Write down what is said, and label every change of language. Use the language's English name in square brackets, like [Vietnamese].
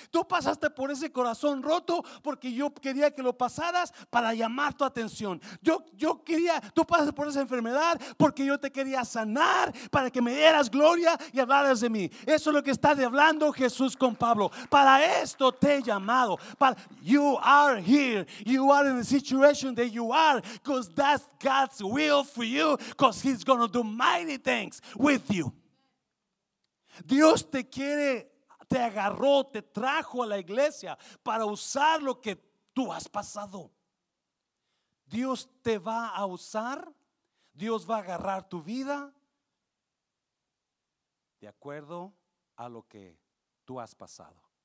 [Spanish] Tú pasaste por ese corazón roto porque yo quería que lo pasaras para llamar tu atención. Tú pasaste por esa enfermedad porque yo te quería sanar para que me dieras gloria y hablaras de mí. Eso es lo que está hablando Jesús con Pablo. Para esto te he llamado. [English] You are here. You are in the situation that you are because that's God's will for you, because he's going to do mighty things with you. [Spanish] Dios te quiere, te agarró, te trajo a la iglesia para usar lo que tú has pasado. Dios te va a usar, Dios va a agarrar tu vida de acuerdo a lo que tú has pasado.